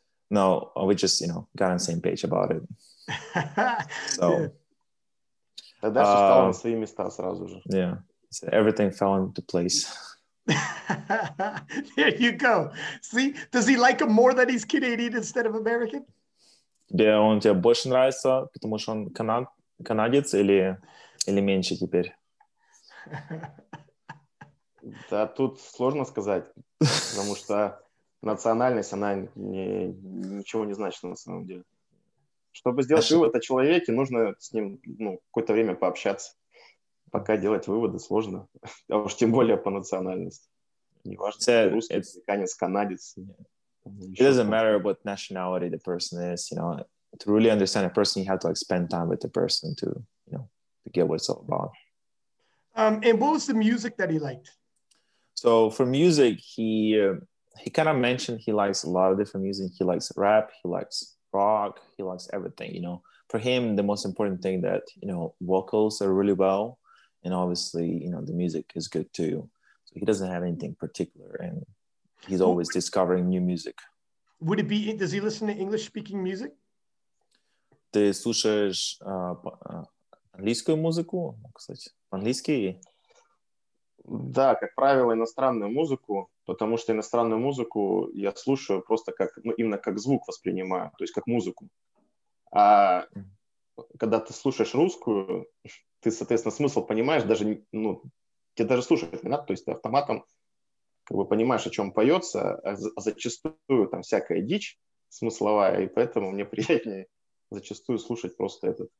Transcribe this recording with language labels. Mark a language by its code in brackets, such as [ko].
[en] No, we just, you know, got on the same page about it. So. [ru] Тогда все стало на свои места сразу же. [en] Yeah, so everything fell into place. There you go. See, does he like him more that he's Canadian instead of American? [ru] Тебе он тебе больше нравится, потому что он канадец или меньше теперь? Да, тут сложно сказать, потому что национальность, она ничего не значит на самом деле. Чтобы сделать вывод о человеке, нужно с ним какое-то время пообщаться. Пока делать выводы сложно. А уж тем более по национальности. Неважно, so, русский, американец, канадец. [en] Yeah. It doesn't matter what nationality the person is. You know, to really understand a person, you have to like spend time with the person to, you know, to get what it's all about. And what was the music that he liked? So for music, he kind of mentioned he likes a lot of different music. He likes rap, he likes rock, he likes everything, you know. For him, the most important thing that, you know, vocals are really well, and obviously, you know, the music is good too. So he doesn't have anything particular, and he's always discovering new music. Would it be, does he listen to English-speaking music? [ru] Ты слушаешь английскую музыку, кстати, английский? Да, как правило, иностранную музыку, потому что иностранную музыку я слушаю просто как, ну, именно как звук воспринимаю, то есть как музыку. А когда ты слушаешь русскую, ты, соответственно, смысл понимаешь, даже, ну, тебе даже слушать не надо, то есть ты автоматом как бы понимаешь, о чем поется, а зачастую там всякая дичь смысловая, и поэтому мне приятнее зачастую слушать просто этот.